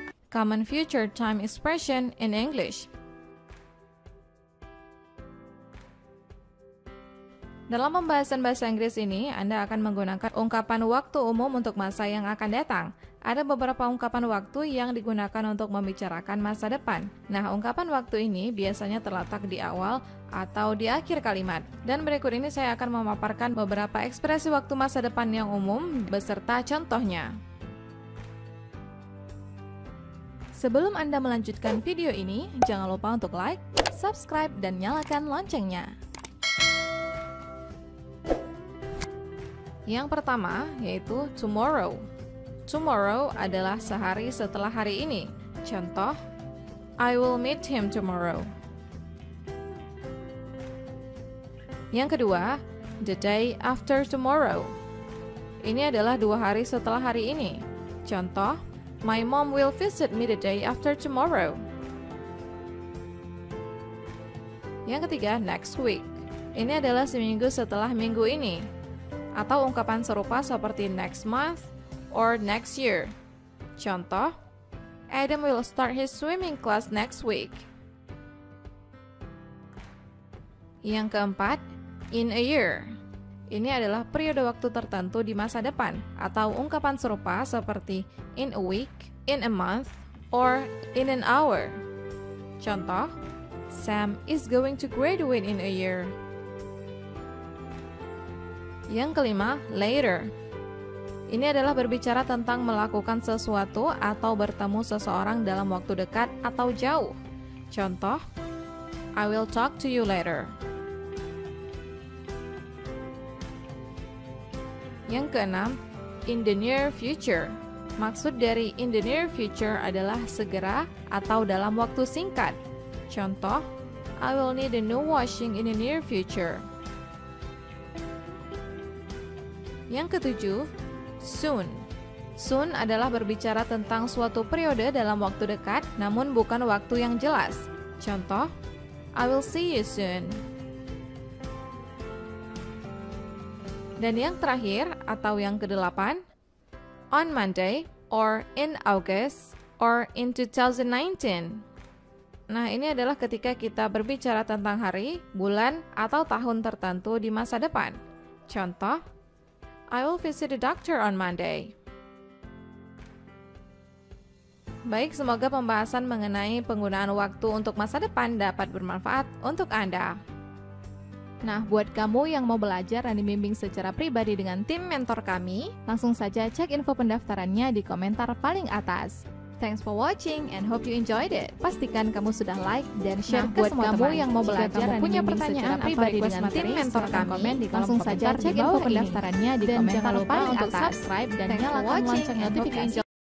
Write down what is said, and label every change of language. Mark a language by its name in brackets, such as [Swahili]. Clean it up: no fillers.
[English] common future time expression in English. [Indonesian] Dalam pembahasan bahasa Inggris ini, Anda akan menggunakan ungkapan waktu umum untuk masa yang akan datang. Ada beberapa ungkapan waktu yang digunakan untuk membicarakan masa depan. Nah, ungkapan waktu ini biasanya terletak di awal atau di akhir kalimat. Dan berikut ini saya akan memaparkan beberapa ekspresi waktu masa depan yang umum beserta contohnya. Sebelum Anda melanjutkan video ini, jangan lupa untuk like, subscribe, dan nyalakan loncengnya. Yang pertama yaitu tomorrow. Tomorrow adalah sehari setelah hari ini. Contoh, [English] I will meet him tomorrow. [Indonesian] Yang kedua, [English] the day after tomorrow. [Indonesian] Ini adalah dua hari setelah hari ini. Contoh, [English] my mom will visit me the day after tomorrow. [Indonesian] Yang ketiga, [English] next week. [Indonesian] Ini adalah seminggu setelah minggu ini. Atau ungkapan serupa seperti [English] next month or next year. [Indonesian] Contoh, [English] Adam will start his swimming class next week. [Indonesian] Yang keempat, [English] in a year. [Indonesian] Ini adalah periode waktu tertentu di masa depan. Atau ungkapan serupa seperti [English] in a week, in a month, or in an hour. [Indonesian] Contoh, [English] Sam is going to graduate in a year. [Indonesian] Yang kelima, later. Ini adalah berbicara tentang melakukan sesuatu atau bertemu seseorang dalam waktu dekat atau jauh. Contoh, [English] I will talk to you later. [Indonesian] Yang keenam, [English] in the near future. [Indonesian] Maksud dari [English] in the near future [Indonesian] adalah segera atau dalam waktu singkat. Contoh, [English] I will need a new washing in the near future. [Indonesian] Yang ketujuh, soon. Soon adalah berbicara tentang suatu periode dalam waktu dekat, namun bukan waktu yang jelas. Contoh, [English] I will see you soon. [Indonesian] Dan yang terakhir, atau yang kedelapan, [English] on Monday, or in August, or in 2019. [Indonesian] Nah, ini adalah ketika kita berbicara tentang hari, bulan, atau tahun tertentu di masa depan. Contoh, [English] I will visit the doctor on Monday. [Indonesian] Baik, semoga pembahasan mengenai penggunaan waktu untuk masa depan dapat bermanfaat untuk Anda. Nah, buat kamu yang mau belajar dan dibimbing secara pribadi dengan tim mentor kami, langsung saja cek info pendaftarannya di komentar paling atas. [English] Thanks for watching and hope you enjoyed it. [Indonesian] Pastikan kamu sudah like dan share ke semua teman. Kamu yang mau belajar dan punya pertanyaan pribadi dengan tim mentor kami, langsung saja cek info pendaftarannya di komentar paling atas. Dan jangan lupa untuk subscribe dan nyalakan lonceng notifikasi.